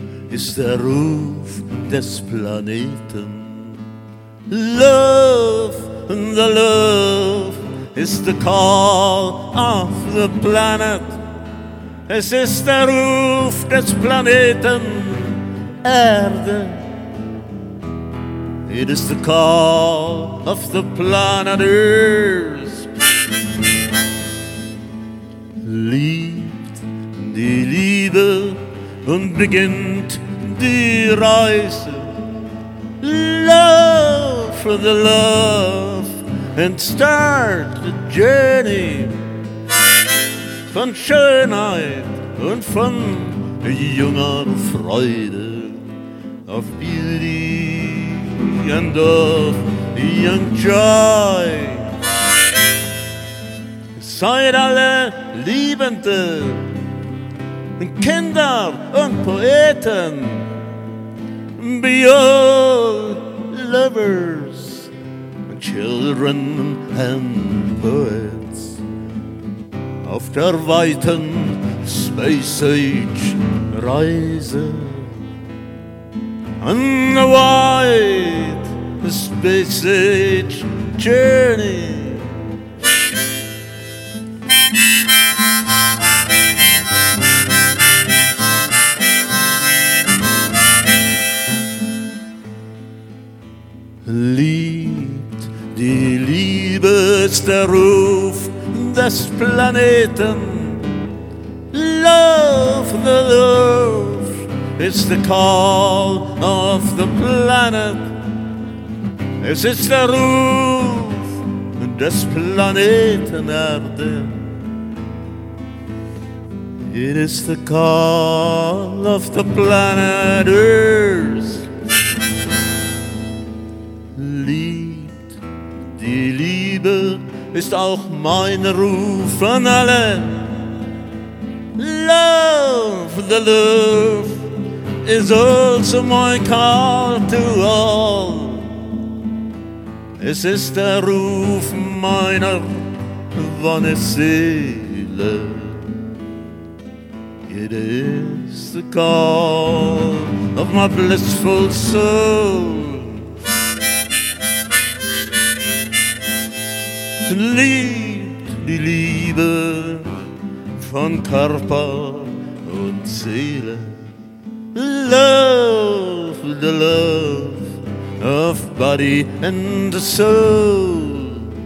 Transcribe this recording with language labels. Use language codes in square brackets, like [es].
[de] ist der Ruf des Planeten. [en] Love, the love is the call of the planet. [de] Es ist der Ruf des Planeten Erde. [en] It is the call of the planet Earth. [de] Liebt die Liebe und beginnt die Reise. [en] Love for the love and start the journey. [de] Von Schönheit und von junger Freude. [en] Of beauty and of young joy. [de] Seid alle Liebende, Kinder und Poeten. [en] Be all lovers, children and poets. [de] Auf der weiten Space Age Reise. [en] On the wide Space Age Journey. [de] Liebt die Liebe ist der Ruf des Planeten. [en] Love the love is the call of the planet. [de] Es ist der Ruf des Planeten Erde. [en] It is the call of the planet Earth. [de] Liebt die Liebe ist auch mein Ruf an alle. [en] Love the love is also my call to all. [de] Es ist der Ruf meiner wahren Seele. [en] It is the call of my blissful soul. [de] Liebt die Liebe von Körper und Seele. [en] Love the love of body and soul.